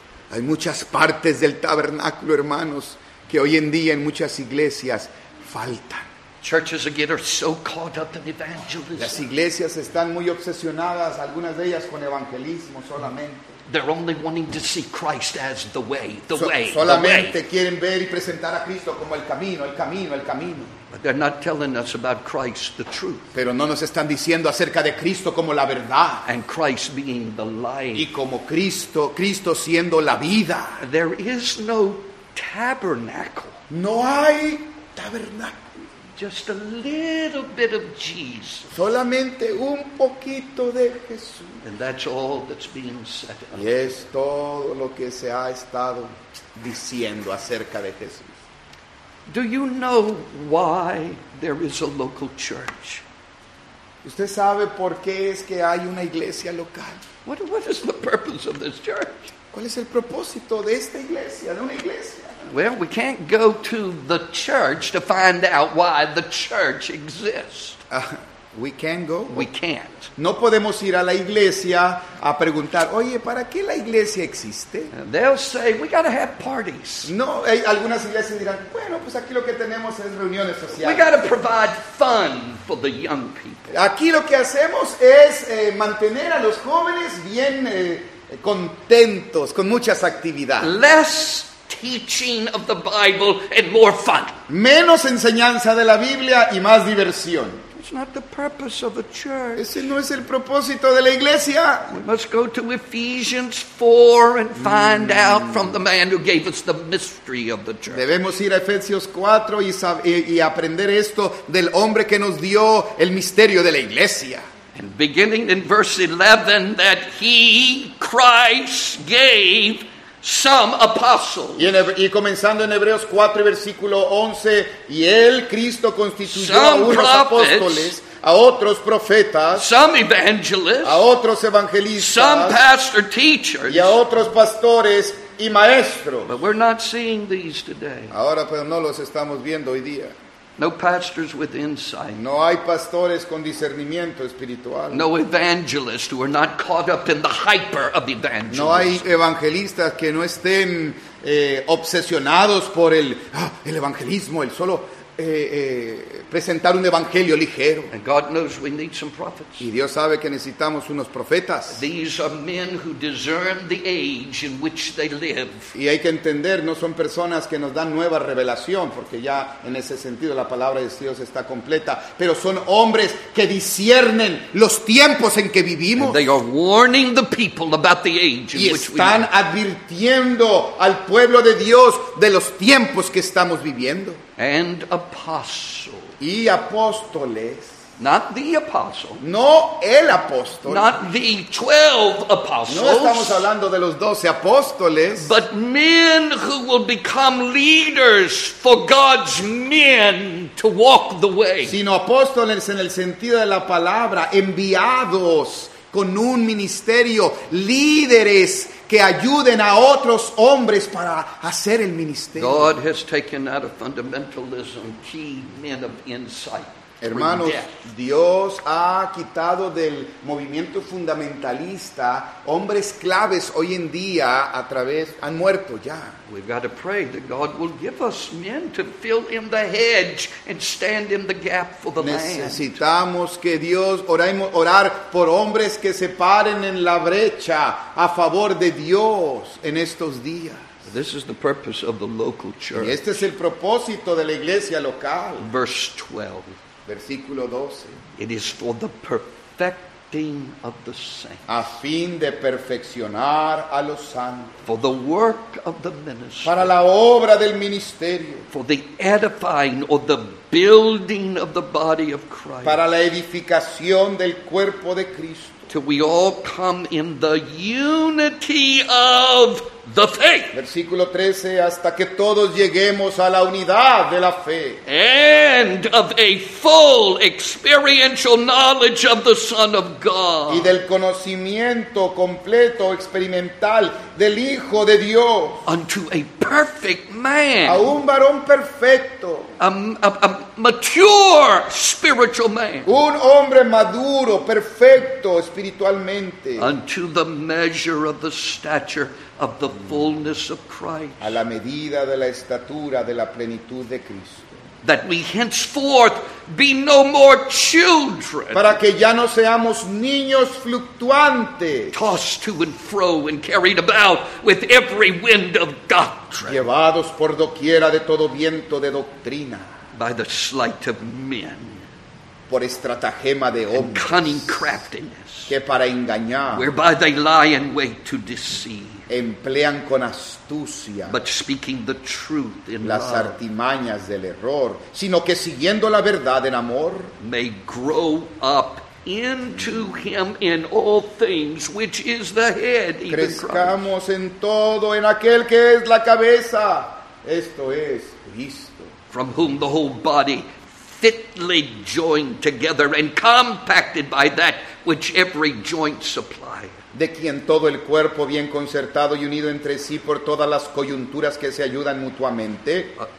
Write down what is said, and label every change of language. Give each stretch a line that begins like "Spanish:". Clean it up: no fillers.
Spanish: Hay muchas partes del tabernáculo, hermanos, que hoy en día en muchas iglesias faltan.
English: Churches again are so caught up in evangelism.
Spanish: Las iglesias están muy obsesionadas, algunas de ellas con evangelismo solamente.
English: They're only wanting to see Christ as the way, the way.
Spanish: Solamente quieren ver y presentar a Cristo como el camino, el camino, el camino.
English: But they're not telling us about Christ, the truth.
Spanish: Pero no nos están diciendo acerca de Cristo como la verdad.
English: And Christ being the life.
Spanish: Y como Cristo, Cristo siendo la vida.
English: There is no tabernacle.
Spanish: No hay tabernáculo.
English: Just a little bit of Jesus.
Spanish: Solamente un poquito de Jesús.
English: And that's all that's being said.
Spanish: Y es todo lo que se ha estado diciendo acerca de Jesús.
English: Do you know why there is a local church?
Spanish: ¿Usted sabe por qué es que hay una iglesia local?
English: What is the purpose of this church?
Spanish: ¿Cuál es el propósito de esta iglesia, de una iglesia?
English: Well, we can't go to the church to find out why the church exists. We can go. We can't.
Spanish: No podemos ir a la iglesia a preguntar, oye, ¿para qué la iglesia existe?
English: They'll say, we gotta have parties.
Spanish: No, hay algunas iglesias dirán, bueno, pues aquí lo que tenemos es reuniones sociales.
English: We gotta provide fun for the young people.
Spanish: Aquí lo que hacemos es mantener a los jóvenes bien contentos, con muchas actividades.
English: Less teaching of the Bible and more fun.
Spanish: Menos enseñanza de la Biblia y más diversión.
English: It's not the purpose of the church.
Spanish: Ese no es el propósito de la iglesia.
English: We must go to Ephesians 4 and find out from the man who gave us the mystery of the church.
Spanish: Debemos ir a Efesios 4 y aprender esto del hombre que nos dio el misterio de la iglesia.
English: And beginning in verse 11, that he, Christ, gave some apostles.
Spanish: Y comenzando en Hebreos 4 versículo 11, y él Cristo constituyó a unos apóstoles, a otros profetas,
English: some evangelists,
Spanish: a otros evangelistas,
English: some pastor teachers,
Spanish: y a otros pastores y maestros.
English: But we're not seeing these today.
Spanish: Ahora pero no los estamos viendo hoy día.
English: No pastors with insight.
Spanish: No hay pastores con discernimiento espiritual.
English: No evangelists who are not caught up in the hyper of evangelism.
Spanish: No hay evangelistas que no estén obsesionados por el evangelismo, el solo presentar un evangelio ligero.
English: And God knows we need some prophets.
Spanish: Y Dios sabe que necesitamos unos profetas.
English: These are men who discern the age in which they live.
Spanish: Y hay que entender, no son personas que nos dan nueva revelación, porque ya en ese sentido la palabra de Dios está completa, pero son hombres que disciernen los tiempos en que vivimos.
English: And they are warning the people about the age in which we live.
Spanish: Y están advirtiendo al pueblo de Dios de los tiempos que estamos viviendo.
English: And apostles.
Spanish: Y apóstoles.
English: Not the apostle.
Spanish: No el apóstol.
English: Not the 12 apostles.
Spanish: No estamos hablando de los 12 apóstoles.
English: But men who will become leaders for God's men to walk the way.
Spanish: Sino apóstoles en el sentido de la palabra, enviados con un ministerio, líderes que ayuden a otros hombres para hacer el ministerio.
English: God has taken out of fundamentalism key men of insight.
Spanish: Hermanos, Dios ha quitado del movimiento fundamentalista hombres claves hoy en día a través, han muerto ya.
English: We've got to pray that God will give us men to fill in the hedge and stand in the gap for the
Spanish: Necesitamos
English: land.
Spanish: Necesitamos que Dios, orar por hombres que se paren en la brecha a favor de Dios en estos días.
English: This is the purpose of the local church.
Spanish: Y este es el propósito de la iglesia local.
English: Verse 12.
Spanish: Versículo 12.
English: It is for the perfecting of the saints.
Spanish: A fin de perfeccionar a los santos.
English: For the work of the ministry.
Spanish: Para la obra del ministerio.
English: For the edifying or the building of the body of Christ.
Spanish: Para la edificación del cuerpo de Cristo.
English: Till we all come in the unity of the faith.
Spanish: Versículo 13, hasta que todos lleguemos a la unidad de la fe.
English: And of a full experiential knowledge of the Son of God.
Spanish: Y del conocimiento completo experimental del Hijo de Dios.
English: Unto a perfect man.
Spanish: A un varón perfecto.
English: A mature spiritual man.
Spanish: Un hombre maduro, perfecto espiritualmente.
English: Unto the measure of the stature of the fullness of Christ.
Spanish: A la medida de la estatura de la plenitud de Cristo.
English: that we henceforth be no more children.
Spanish: Para que ya no seamos niños fluctuantes.
English: Tossed to and fro and carried about with every wind of doctrine.
Spanish: Llevados por doquiera de todo viento de doctrina.
English: By the sleight of men.
Spanish: Por estratagema de hombres.
English: And cunning craftiness.
Spanish: Que para engañar.
English: Whereby they lie in wait to deceive.
Spanish: Emplean con astucia,
English: but speaking the truth in
Spanish: las
English: love,
Spanish: artimañas del error, sino que siguiendo la verdad en amor,
English: may grow up into him in all things, which is the head, even Christ.
Spanish: Crezcamos en todo en aquel que es la cabeza, esto es Cristo.
English: From whom the whole body fitly joined together and compacted by that which every joint supplies.
Spanish: De quien todo el cuerpo bien concertado y unido entre sí por todas las coyunturas que se ayudan mutuamente.